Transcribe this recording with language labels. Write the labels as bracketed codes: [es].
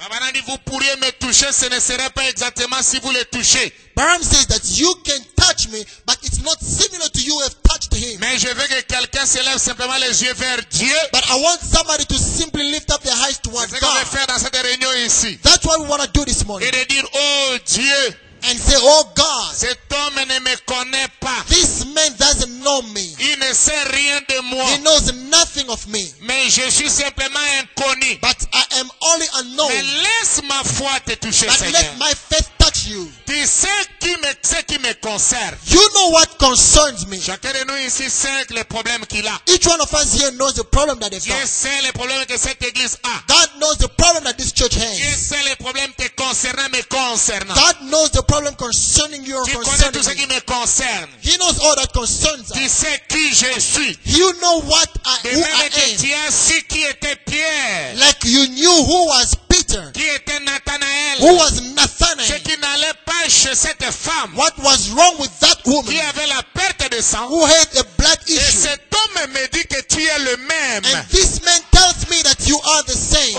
[fr] Maintenant, vous pourriez me toucher, ce ne serait pas exactement si vous le touchez. [en] Abraham says that you can touch me, but it's not similar to you have touched him. [fr] Mais je veux que quelqu'un s'élève simplement les yeux vers Dieu. [en] But I want somebody to simply lift up their eyes towards God. [fr] C'est ce qu'on va faire dans cette réunion ici. [en] That's what we want to do this morning. [fr] Et de dire, oh Dieu. [en] And say, oh God. [fr] Cet homme ne me connaît pas. [en] This man doesn't know me. [fr] Il ne sait rien de moi. [en] He knows nothing of me. [fr] Mais je suis simplement inconnu. [en] But I am only unknown. [fr] Mais laisse ma foi te toucher, [en] but [fr] Seigneur. [en] Let my faith touch you. [fr] Tu sais ce qui me concerne. [en] You know what concerns me. [fr] Chacun de nous ici sait les problèmes qu'il a. [en] Each one of us here knows the problem that they've [fr] got. Dieu sait les problèmes que cette église a. [en] God knows the problem that this church has. [fr] Dieu sait les problèmes te concernant me concernant. [en] God knows the problem concerning you or [fr] tu [en] concerning [fr] tout ce qui me concerne. [en] He knows all that concerns [fr] tu [en] us. [fr] Sais qui je suis. [en] You know what I, [fr] de [en] who [fr] même [en] I am. [fr] Si qui était Pierre. [en] Like you knew who was Peter. [fr] Qui était Nathanael. [en] Who was Nathanael. [fr] Ce qui n'allait pas chez cette femme. [en] What was wrong with that woman. [fr] Qui avait la perte de sang. [en] Who had a blood issue. [fr] Et cet homme me dit que tu es le même. [en] And this man tells me that you are the same.